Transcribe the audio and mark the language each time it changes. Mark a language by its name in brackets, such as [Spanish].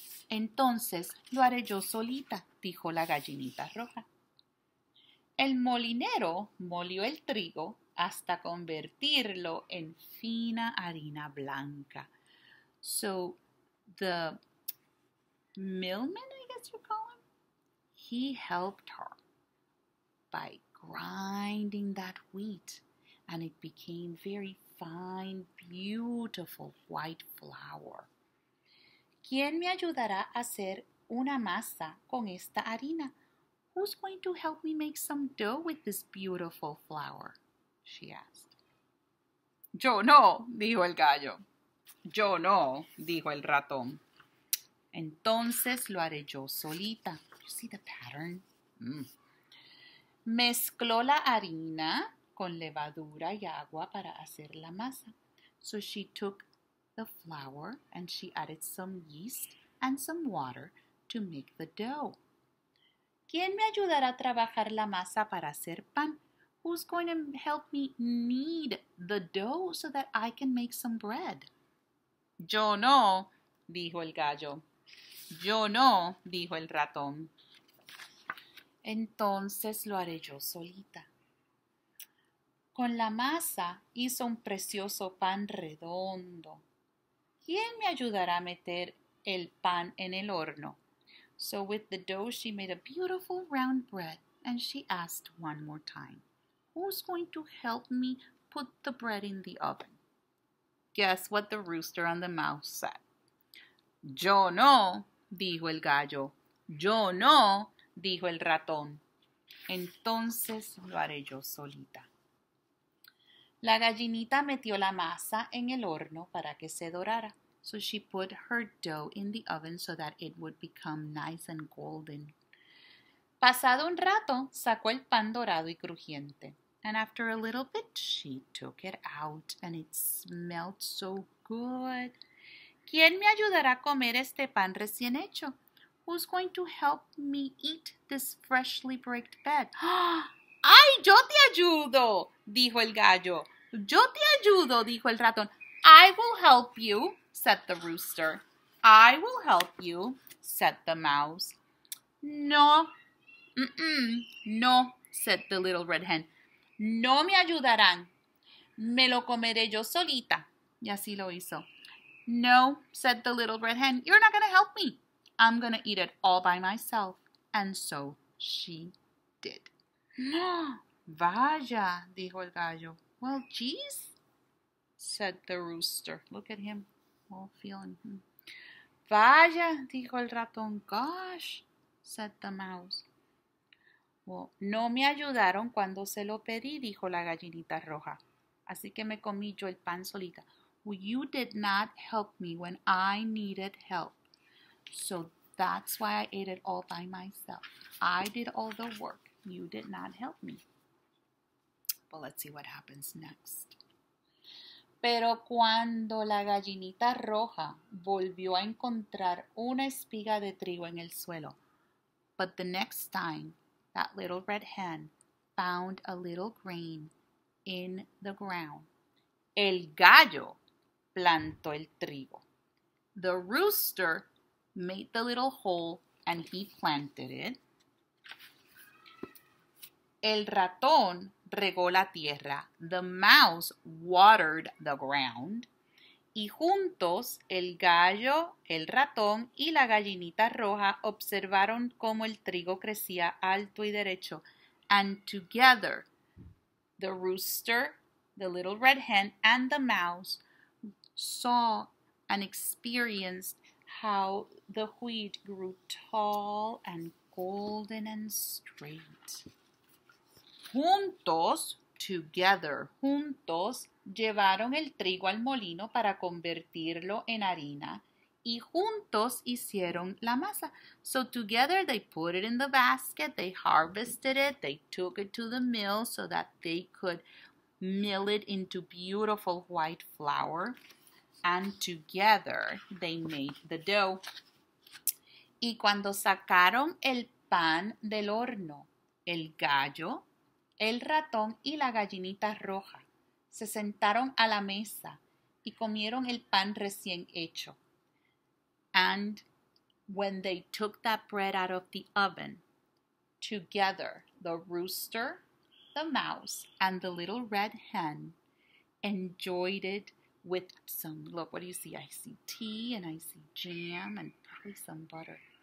[Spanish] Entonces lo haré yo solita, dijo la gallinita roja. El molinero molió el trigo hasta convertirlo en fina harina blanca. [English] So the millman, I guess you call him, he helped her by grinding that wheat, and it became very fine, beautiful white flour. [Spanish] ¿Quién me ayudará a hacer una masa con esta harina? [English] Who's going to help me make some dough with this beautiful flour? She asked. [Spanish] Yo no, dijo el gallo. Yo no, dijo el ratón. Entonces lo haré yo solita. [English] You see the pattern? [Spanish] Mezcló la harina con levadura y agua para hacer la masa. [English] So she took the flour and she added some yeast and some water to make the dough. [Spanish] ¿Quién me ayudará a trabajar la masa para hacer pan? [English] Who's going to help me knead the dough so that I can make some bread? [Spanish] Yo no, dijo el gallo. Yo no, dijo el ratón. Entonces lo haré yo solita. Con la masa hizo un precioso pan redondo. ¿Quién me ayudará a meter el pan en el horno? [English] So with the dough, she made a beautiful round bread, and she asked one more time, who's going to help me put the bread in the oven? Guess what the rooster and the mouse said. [Spanish] Yo no, dijo el gallo. Yo no, dijo el ratón. Entonces lo haré yo solita. La gallinita metió la masa en el horno para que se dorara. [English] So she put her dough in the oven so that it would become nice and golden. [Spanish] Pasado un rato, sacó el pan dorado y crujiente. [English] And after a little bit, she took it out and it smelled so good. [Spanish] ¿Quién me ayudará a comer este pan recién hecho? [English] Who's going to help me eat this freshly baked bread? [Spanish] ¡Ay, yo te ayudo! Dijo el gallo. ¡Yo te ayudo! Dijo el ratón. [English] I will help you, said the rooster. I will help you, said the mouse. No, no, said the little red hen. [Spanish] No me ayudarán. Me lo comeré yo solita. Y así lo hizo. [English] No, said the little red hen. You're not going to help me. I'm going to eat it all by myself. And so she did. [Spanish] No, vaya, dijo el gallo. [English] Well, geez, said the rooster. Look at him. All feeling. [Spanish] Vaya, dijo el ratón. [English] Gosh, said the mouse. [Spanish] Well, no me ayudaron cuando se lo pedí, dijo la gallinita roja. Así que me comí yo el pan solita. [English] Well, you did not help me when I needed help. So that's why I ate it all by myself. I did all the work. You did not help me. Well, let's see what happens next. [Spanish] Pero cuando la gallinita roja volvió a encontrar una espiga de trigo en el suelo. [English] But the next time, that little red hen found a little grain in the ground. [Spanish] El gallo plantó el trigo. [English] The rooster made the little hole and he planted it. [Spanish] El ratón regó la tierra. [English] The mouse watered the ground. [Spanish] Y juntos, el gallo, el ratón y la gallinita roja observaron cómo el trigo crecía alto y derecho. [English] And together, the rooster, the little red hen, and the mouse saw and experienced how the wheat grew tall and golden and straight. [Spanish] Juntos, together, juntos, llevaron el trigo al molino para convertirlo en harina y juntos hicieron la masa. [English] So together they put it in the basket, they harvested it, they took it to the mill so that they could mill it into beautiful white flour, and together they made the dough. [Spanish] Y cuando sacaron el pan del horno, el gallo, el ratón y la gallinita roja se sentaron a la mesa y comieron el pan recién hecho. [English] And when they took that bread out of the oven, together the rooster, the mouse, and the little red hen enjoyed it with some, look, what do you see? I see tea and I see jam and probably some butter.